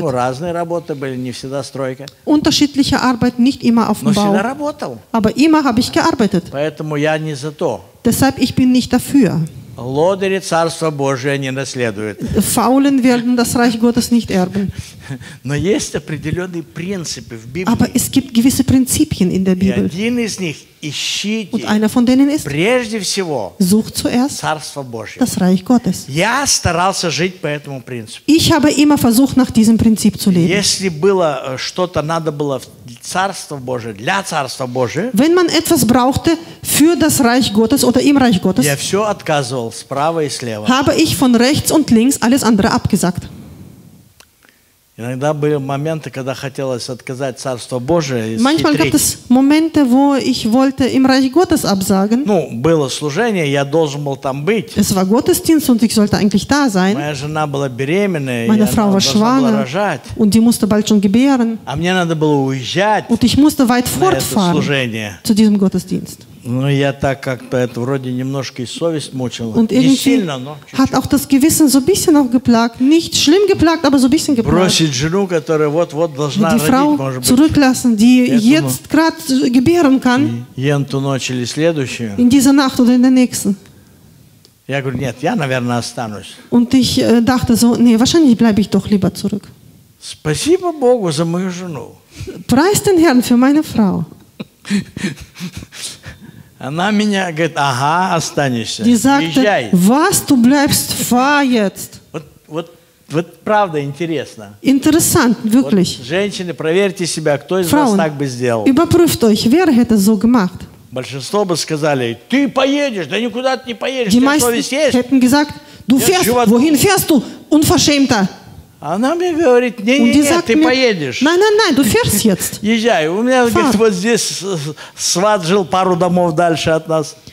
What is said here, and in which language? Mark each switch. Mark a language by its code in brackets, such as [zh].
[ru] Ну, разные работы были, не всегда стройка. [de] Unterschiedliche Arbeit, nicht immer auf dem Bau. [ru] Но всегда работал. [de] Aber immer habe ich gearbeitet. [ru] Поэтому я не за то. [de] Deshalb, ich bin nicht dafür. [ru] Лодыри Царство Божие не наследуют. [de] Faulen werden das Reich Gottes nicht erben. [ru] Но есть определенные принципы в Библии. [de] Aber es gibt gewisse Prinzipien in der Bibel. [ru] И один из них ищите. [de] Und einer von denen ist, [ru] прежде всего, [de] sucht zuerst [ru] Царство Божие. [de] Das Reich Gottes. [ru] Я старался жить по этому принципу. [de] Ich habe immer versucht, nach diesem Prinzip zu leben. [ru] Если было что-то надо было в Царство Божие, для Царства Божие, [de] wenn man etwas brauchte für das Reich Gottes oder im Reich Gottes, [ru] я все отказывал справа и слева. [de] Habe ich von rechts und links alles andere abgesagt. [ru] Иногда были моменты, когда хотелось отказать Царство Божие. [de] Manchmal gab es Momente, wo ich wollte im Reich Gottes absagen. [ru] Ну, было служение, я должен был там быть. [de] Es war Gottesdienst und ich sollte eigentlich da sein. [ru] Моя жена была беременна, [de] meine Frau war schwanger, und die musste bald schon gebären. [ru] А мне надо было уезжать. [de] Und ich musste weit fortfahren. [ru] Служение. [de] Zu diesem Gottesdienst. [ru] Ну, я так как-то это вроде немножко и совесть мучила. [de] Und [ru] не сильно, но чуть-чуть. [de] Hat auch das Gewissen so ein bisschen auch geplagt. Nicht schlimm geplagt, aber so ein bisschen geplagt. [ru] Бросить жену, которая вот-вот должна родить, может быть. [de] Die Frau zurücklassen, die jetzt gerade gebären kann. [ru] И in ту ночь или следующую. [de] In dieser Nacht oder in der nächsten. [ru] Я говорю, нет, я, наверное, останусь. [de] Und ich dachte so, nee, wahrscheinlich bleibe ich doch lieber zurück. [ru] Спасибо Богу за мою жену. [de] Preis den Herrn für meine Frau. [ru] Она меня говорит, ага, останешься, [de] die sagte, [ru] езжай. [de] Was, du bleibst, fahr jetzt. [ru] Вот правда интересно. [de] Interessant, wirklich. [ru] Вот, женщины, проверьте себя, кто из [de] Frauen, [ru] вас так бы сделал. [de] Überprüft euch, wer hätte so gemacht. [ru] Большинство бы сказали, ты поедешь, да никуда ты не поедешь, [de] die [ru] у тебя совесть есть. [de] Hätten gesagt, du fährst, wohin fährst du, unverschämter. [ru] Она мне говорит, нет, ты поедешь. [de] Nein, du fährst jetzt. [ru] Езжай. У меня, говорит, вот здесь сват жил пару домов дальше от нас.